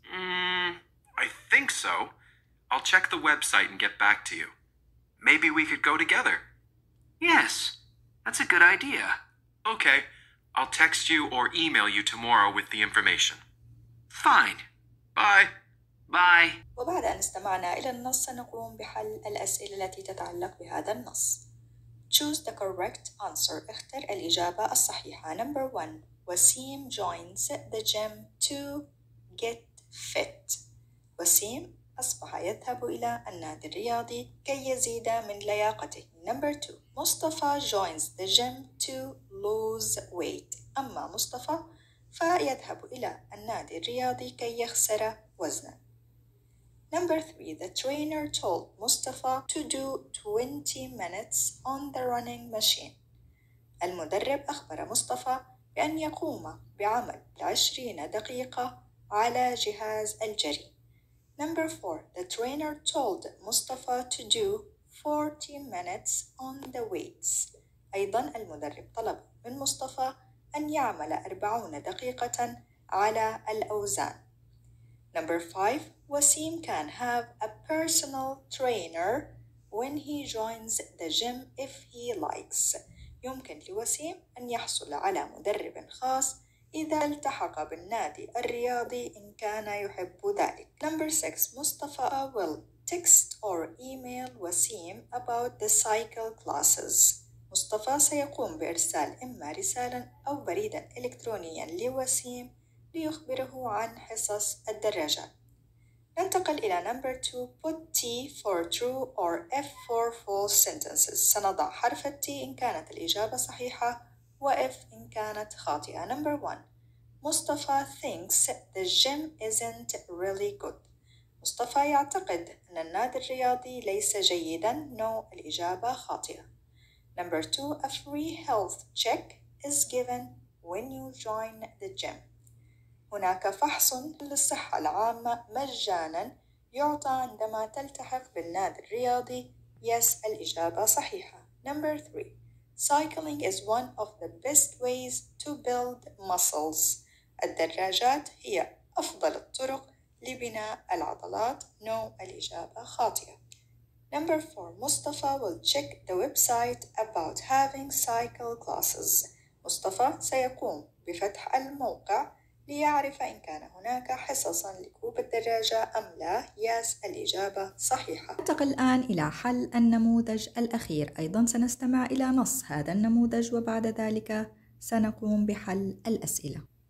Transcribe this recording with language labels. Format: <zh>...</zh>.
<en>I think so. I'll check the website and get back to you. Maybe we could go together. Yes, that's a good idea. Okay, I'll text you or email you tomorrow with the information. Fine. Bye.</en> <ar>وبعد أن استمعنا إلى النص سنقوم بحل الأسئلة التي تتعلق بهذا النص.</ar> <en>Choose the correct answer.</en> <ar>اختر الإجابة الصحيحة.</ar> <en>Number 1. Wasim joins the gym to get fit.</en> <ar>Wasim أصبح يذهب إلى النادي الرياضي كي يزيد من لياقته.</ar> <en>Number 2. Mustafa joins the gym to lose weight.</en> <ar>أما مصطفى فيذهب إلى النادي الرياضي كي يخسر وزنا.</ar> <en>Number 3. The trainer told Mustafa to do 20 minutes on the running machine.</en> <ar>المدرب أخبر مصطفى بأن يقوم بعمل 20 دقيقة على جهاز الجري.</ar> <en>Number 4. The trainer told Mustafa to do 40 minutes on the weights.</en> <ar>أيضاً المدرب طلب من مصطفى أن يعمل 40 دقيقة على الأوزان.</ar> <en>Number 5. Wasim can have a personal trainer when he joins the gym if he likes.</en> <ar>يمكن لوسيم أن يحصل على مدرب خاص إذا التحق بالنادي الرياضي إن كان يحب ذلك.</ar> <en>Number 6. Mustafa will text or email Wasim about the cycle classes.</en> <ar>مصطفى سيقوم بإرسال إما رسالاً أو بريداً إلكترونياً لوسيم ليخبره عن حصص الدراجة. ننتقل إلى</ar> <en>number 2. Put T for true or F for false sentences.</en> <ar>سنضع حرف T إن كانت الإجابة صحيحة وF إن كانت خاطئة.</ar> <en>Number 1. Mustafa thinks the gym isn't really good.</en> <ar>مصطفى يعتقد أن النادي الرياضي ليس جيداً.</ar> <en>No,</en> <ar>الإجابة خاطئة.</ar> <en>Number 2. A free health check is given when you join the gym.</en> <ar>هناك فحص للصحة العامة مجاناً يعطى عندما تلتحق بالنادي الرياضي.</ar> <en>Yes,</en> <ar>الإجابة صحيحة.</ar> <en>Number 3. Cycling is one of the best ways to build muscles.</en> <ar>الدراجات هي أفضل الطرق لبناء العضلات.</ar> <en>No,</en> <ar>الإجابة خاطئة.</ar> <en>Number 4. Mustafa will check the website about having cycle classes.</en> <ar>مصطفى سيقوم بفتح الموقع ليعرف إن كان هناك حصصاً لكوب الدراجة أم لا.</ar> <en>Yes,</en> <ar>الإجابة صحيحة. ننتقل الآن إلى حل النموذج الأخير. أيضاً سنستمع إلى نص هذا النموذج وبعد ذلك سنقوم بحل الأسئلة.</ar>